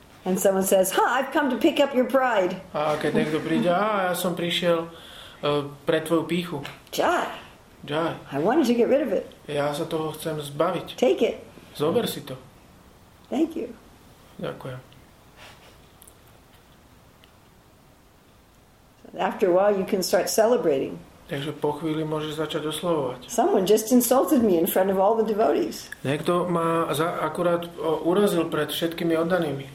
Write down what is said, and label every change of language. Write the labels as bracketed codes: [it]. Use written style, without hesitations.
[en] And someone says, "Ha, I've come to pick up your pride." [sk] A keď niekto príde, ja som prišiel pre tvoju pýchu. [en] Jai. I wanted to get rid of it. [sk] Ja sa toho chcem zbaviť. [en] Take it. [sk] Zober si to. [en] Thank you. [sk] Ďakujem. [en] After a while you can start celebrating. [sk] Takže po chvíli môžeš začať oslavovať. [en] Someone just insulted me in front of all the devotees. [sk] Niekto ma akurát urazil pred všetkými oddanými.